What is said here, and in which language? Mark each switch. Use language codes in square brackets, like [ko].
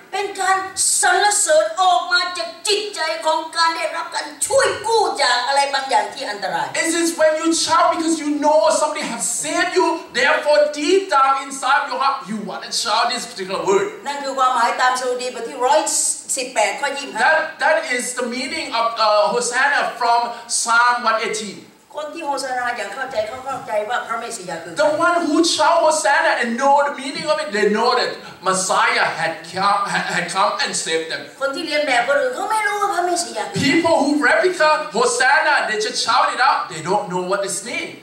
[th] เป็นการสรรเสริญออกมาจากจิตใจของการได้รับการช่วยกู้จากอะไรบางอย่างที่อันตราย [en] It is when you shout because you know somebody has saved you. Therefore, deep down inside your heart, you want to shout this particular word. [th] นั่นคือความหมายตามสดีบทที่118ข้อ25 [en] That is the meaning of Hosanna from Psalm 118. [th] คนที่โฮซานาอย่างเข้าใจว่าพระเมสสิยาคือ [en] The one who shout Hosanna and know the meaning of it they know that Messiah had come and saved them [th] คนที่เรียนแบบคนอื่นเขาไม่รู้ว่าพระเมสสิยาคือ [en] People who replica Hosanna they just shout it out they don't know what it's mean